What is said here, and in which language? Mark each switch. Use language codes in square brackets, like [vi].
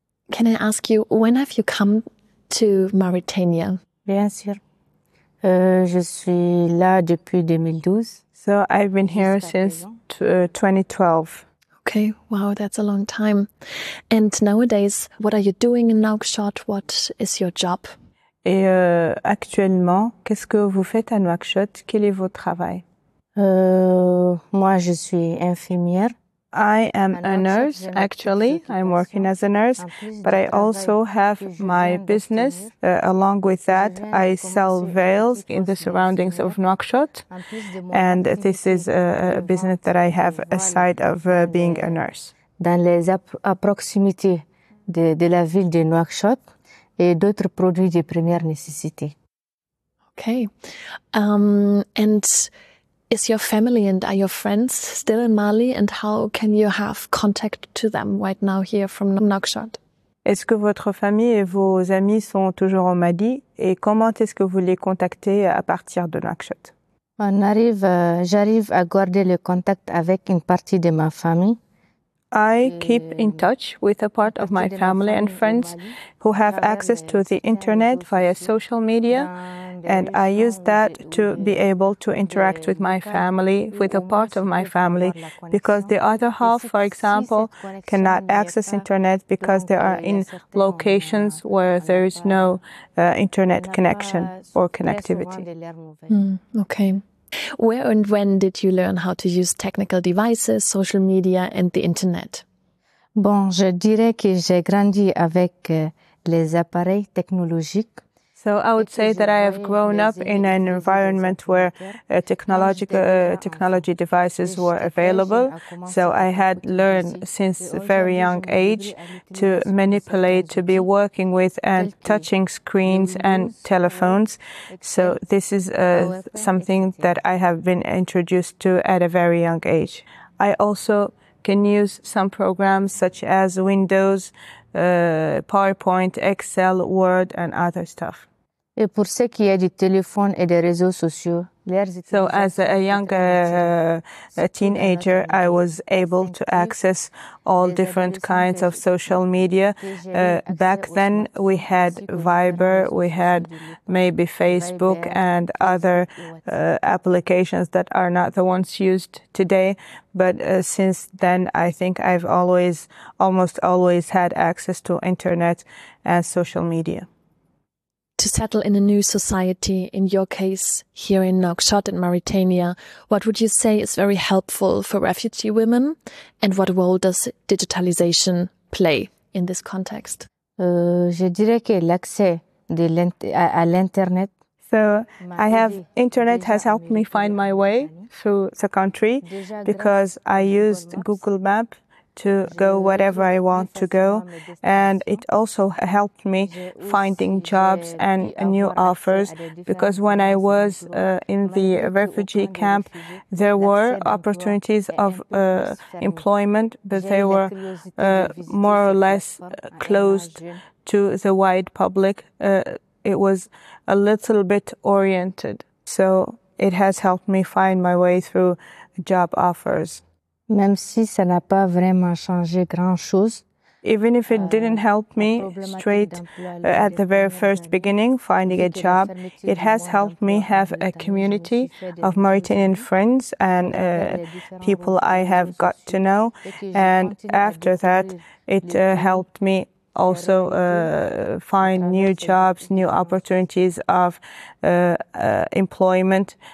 [en] Can I ask you, when have you come to Mauritania? [fr] Bien sûr. Je suis là depuis 2012. [en] So I've been here since 2012. Okay, wow, that's a long time. And nowadays, what are you doing in Nouakchott? What is your job? [fr] Et actuellement, qu'est-ce que vous faites à Nouakchott? Quel est votre travail? Moi, je suis infirmière. [en] I am a nurse, actually. I'm working as a nurse, but I also have my business. Along with that, I sell veils in the surroundings of Nouakchott. And this is a business that I have aside of being a nurse. [fr] Dans les proximités de la ville de Nouakchott et d'autres produits de première nécessité. [en] Okay. And is your family and are your friends still in Mali? And how can you have contact to them right now here from Nouakchott? [fr] Est-ce que votre famille et vos amis sont toujours au Mali? Et comment est-ce que vous les contactez à partir de Nouakchott? J'arrive à garder le contact avec une partie de ma famille. [en] I keep in touch with a part of my family and friends who have access to the internet via social media, and I use that to be able to interact with my family, with a part of my family, because the other half, for example, cannot access internet because they are in locations where there is no internet connection or connectivity. Okay. Where and when did you learn how to use technical devices, social media and the internet? [fr] Bon, je dirais que j'ai grandi avec les appareils technologiques. [en] So I would say that I have grown up in an environment where technology devices were available. So I had learned since a very young age to manipulate, to be working with and touching screens and telephones. So this is something that I have been introduced to at a very young age. I also can use some programs such as Windows, PowerPoint, Excel, Word and other stuff. [fr] Et pour ce qui est du téléphone et des réseaux sociaux, [en] so as a young teenager, I was able to access all different kinds of social media. Back then, we had Viber, we had maybe Facebook and other applications that are not the ones used today. But since then, I think I've almost always had access to internet and social media. To settle in a new society, in your case, here in Nouakchott in Mauritania, what would you say is very helpful for refugee women? And what role does digitalization play in this context? [fr] Je dirais que l'accès à l'internet. [en] So I have internet has helped me find my way through the country because I used Google Maps to go wherever I want to go. And it also helped me finding jobs and new offers, because when I was in the refugee camp, there were opportunities of employment, but they were more or less closed to the wide public. It was a little bit oriented. So it has helped me find my way through job offers. [fr] Même si ça n'a pas vraiment changé grand chose. [en] Even if it didn't help me straight at the very first beginning finding a job, it has helped me have a community of Mauritanian friends and people I have got to know. And after that, it helped me also find new jobs, new opportunities of employment.